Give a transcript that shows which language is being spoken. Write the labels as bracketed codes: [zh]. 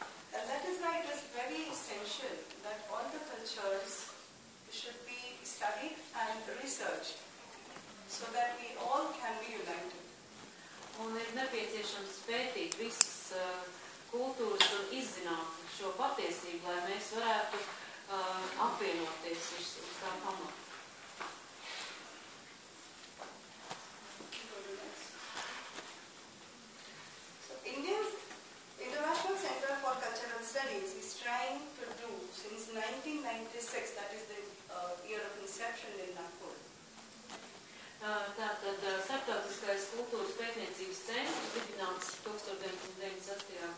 [en] And that is why it is very essential that all the cultures should be studied and researched. So that we all can be united. [lv] Un ir nepieciešams spētīt visas kultūras un izzināt šo patiesību, lai mēs varētu apvienoties uz tā pamatu. [en] So Indians, International Center for Cultural Studies is trying to do since 1996, that is the year of inception in Nagpur. [lv] Tātad starptautiskais kultūras pētniecības centrs dibināts 1998.